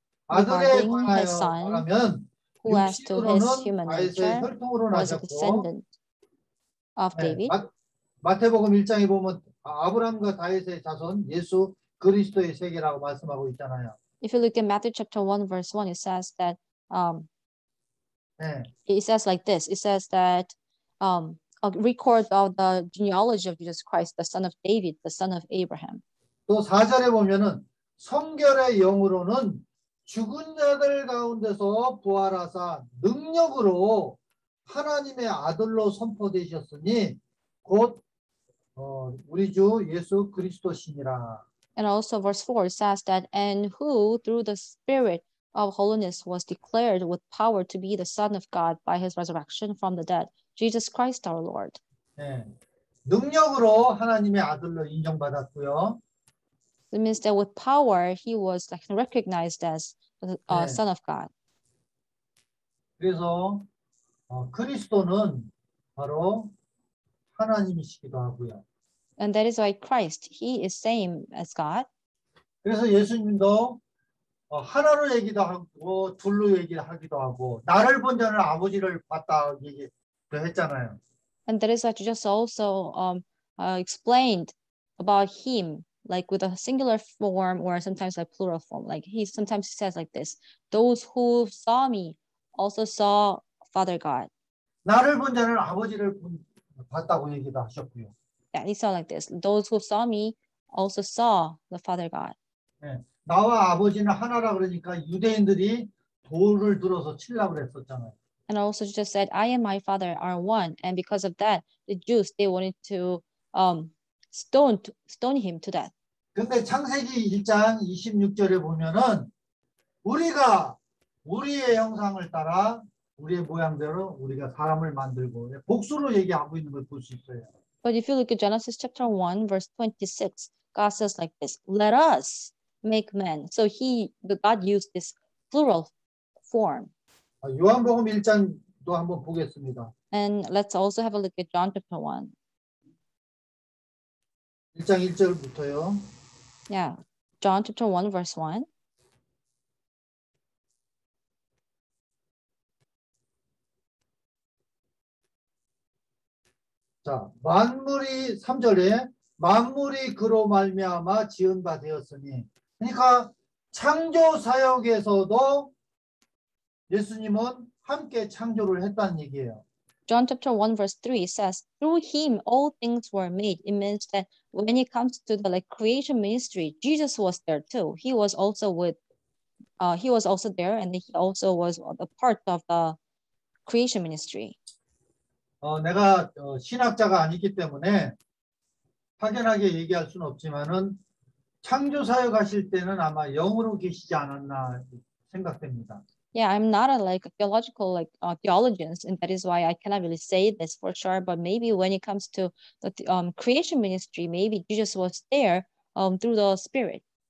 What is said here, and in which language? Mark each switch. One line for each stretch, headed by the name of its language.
English: Regarding his son, who as to his human nature was a descendant of David.
Korean: 마태복음 1장에 보면 아브라함과 다윗의 자손 예수 그리스도의 세계라고 말씀하고 있잖아요.
English: If you look at Matthew chapter 1 verse 1, it says that it says like this. It says that a record of the genealogy of Jesus Christ, the son of David, the son of Abraham.
Korean: 또 4절에 보면은 성결의 영으로는 죽은 자들 가운데서 부활하사 능력으로 하나님의 아들로 선포되셨으니 곧 우리 주 예수 그리스도시니라.
English: And also verse 4 says that and who through the spirit of holiness was declared with power to be the son of God by his resurrection from the dead. Jesus Christ our Lord. 네.
Korean: 능력으로 하나님의 아들로 인정받았고요.
English: It means that with power he was like recognized as a
Korean: 네.
English: son of God.
Korean: 그래서 그리스도는 바로 하나님이시기도 하고요.
English: And that is why Christ he is same as God.
Korean: 그래서 예수님도 하나로 얘기도 하고 둘로 얘기를 하기도 하고 나를 본 자는 아버지를 봤다 얘기 했잖아요.
English: And that is what Jesus also explained about him, like with a singular form or sometimes like plural form. Like he sometimes says like this: "Those who saw me also saw Father God."
Korean: 나를 본 자는 아버지를 봤다고 얘기도 하셨고요.
English: Yeah, he said like this: "Those who saw me also saw the Father God."
Korean: 네, 나와 아버지는 하나라 그러니까 유대인들이 돌을 들어서 치려고 했었잖아요.
English: And also just said, I and my father are one. And because of that, the Jews, they wanted to stone him to death.
Korean: 근데 창세기 1장 26절에 보면은 우리가 우리의 형상을 따라 우리의 모양대로 우리가 사람을 만들고 복수로 얘기하고 있는 걸 볼 수 있어요.
English: But if you look at Genesis chapter 1 verse 26, God says like this, let us make man. So he, God used this plural form.
Korean: 요한복음 1장도 한번 보겠습니다.
English: And let's also have a look at John chapter 1.
Korean: 1장 1절부터요.
English: Yeah, John chapter 1 verse 1.
Korean: 자, 만물이 3절에 만물이 그로 말미암아 지은 바 되었으니 그러니까 창조 사역에서도 예수님은 함께 창조를 했다는 얘기예요.
English: John chapter 1 verse 3 says through him all things were made. It means that when it comes to the like creation ministry, Jesus was there too. He was also with he was also there and he also was a part of the creation ministry.
Korean: 내가 신학자가 아니기 때문에 확연하게 얘기할 수는 없지만은 창조 사역하실 때는 아마 영으로 계시지 않았나 생각됩니다.
English: Yeah, I'm not a like a theological like theologian, and that is why I cannot really say this for sure. But maybe when it comes to the creation ministry, maybe Jesus was there through the Spirit.